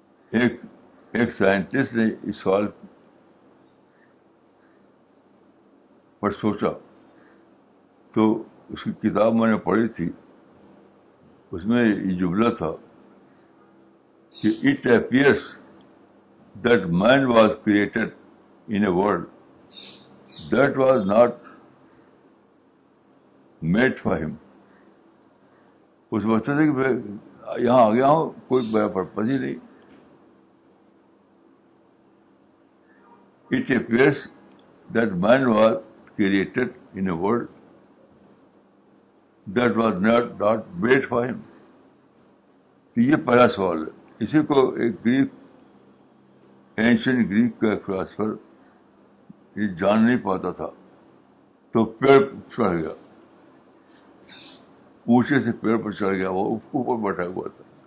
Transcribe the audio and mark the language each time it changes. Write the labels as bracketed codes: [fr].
[ur] ایک سائنٹسٹ نے اس سوال پر سوچا, تو اس کی کتاب میں نے پڑھی تھی, اس میں یہ جملہ تھا کہ [en] It appears that man was created in a world that was not made for him. [ur] اس وقت سے کہ یہاں آ گیا ہوں, کوئی میرا پرپز ہی نہیں. [en] It appears that man was created in a world that was not made for him. [ur] تو یہ پہلا سوال ہے. اسی کو ایک گریک, اینشنٹ گریک کا ایک فلاسفر یہ جان نہیں پاتا تھا, تو پیڑ چڑھ گیا, اونچے سے پیڑ پر چڑھ گیا, وہ اوپر بیٹھا ہوا تھا.